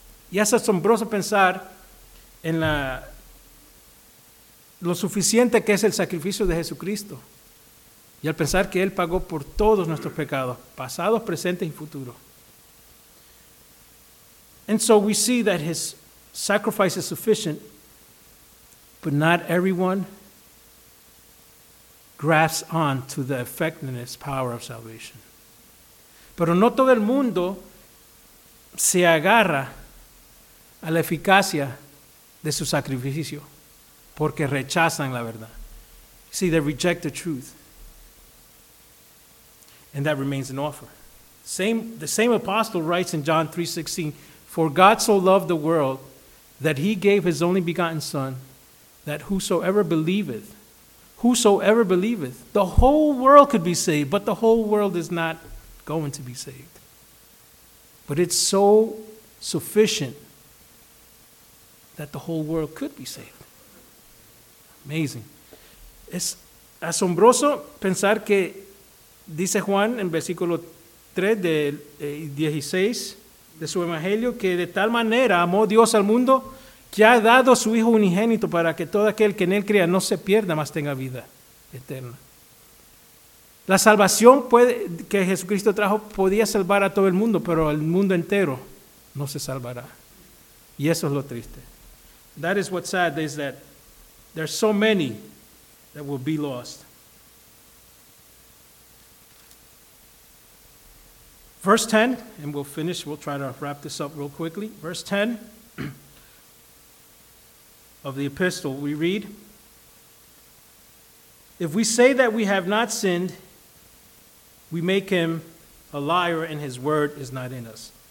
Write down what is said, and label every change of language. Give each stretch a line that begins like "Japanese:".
Spanish: Y es asombroso pensar en lo suficiente que es el sacrificio de Jesucristo. Y al pensar que Él pagó por todos nuestros pecados, pasados, presentes y futuros.
English: And so we see that His sacrifice is sufficient, but not everyone grasps on to the effectiveness, power of salvation.
Spanish: Pero no todo el mundo se agarra a la eficacia de su sacrificio, porque rechazan la verdad.
English: See, they reject the truth. And that remains an offer. The same apostle writes in John 3:16, "For God so loved the world that He gave His only begotten Son, that whosoever believeth, the whole world could be saved, but the whole world is not going to be saved. But it's so sufficient that the whole world could be saved." Amazing.
Spanish: Es asombroso pensar que dice Juan en versículo 3 de 16 de su evangelio que de tal manera amó Dios al mundo que ha dado a su Hijo unigénito para que todo aquel que en Él crea no se pierda, mas tenga vida eterna. La salvación que Jesucristo trajo podía salvar a todo el mundo, pero el mundo entero no se salvará. Y eso es lo triste.
English: That is what's sad, is that there's so many that will be lost. Verse 10, and we'll finish, we'll try to wrap this up real quickly. Verse 10 of the epistle, we read, "If we say that we have not sinned, we make him a liar and his word is not in us."